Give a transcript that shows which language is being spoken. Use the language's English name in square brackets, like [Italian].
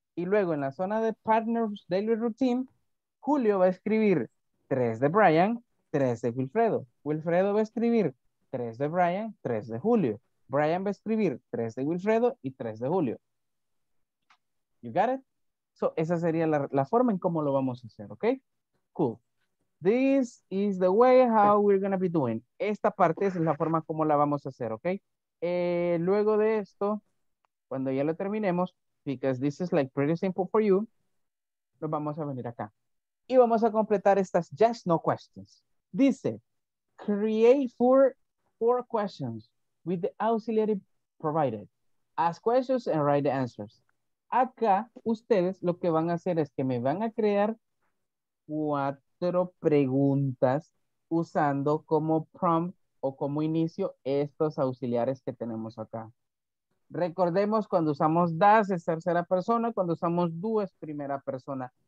[Spanish] Y luego en la zona de Partners Daily Routine, Julio va a escribir 3 de Brian, 3 de Wilfredo. Wilfredo va a escribir 3 de Brian, 3 de Julio. Brian va a escribir 3 de Wilfredo y 3 de Julio. [English] You got it? [Spanish] So, esa sería la forma en cómo lo vamos a hacer, ¿ok? [English] Cool. This is the way how we're going to be doing. [Spanish] Esta parte es la forma como la vamos a hacer, ¿ok? Luego de esto, cuando ya lo terminemos, [English] because this is like pretty simple for you, [Spanish] nos vamos a venir acá. Y vamos a completar estas yes, no questions. Dice, [English] create four questions with the auxiliary provided. Ask questions and write the answers. [Spanish] Acá, ustedes lo que van a hacer es que me van a crear cuatro preguntas usando como prompt o como inicio estos auxiliares que tenemos acá. Recordemos cuando usamos das es tercera persona, cuando usamos do es primera persona.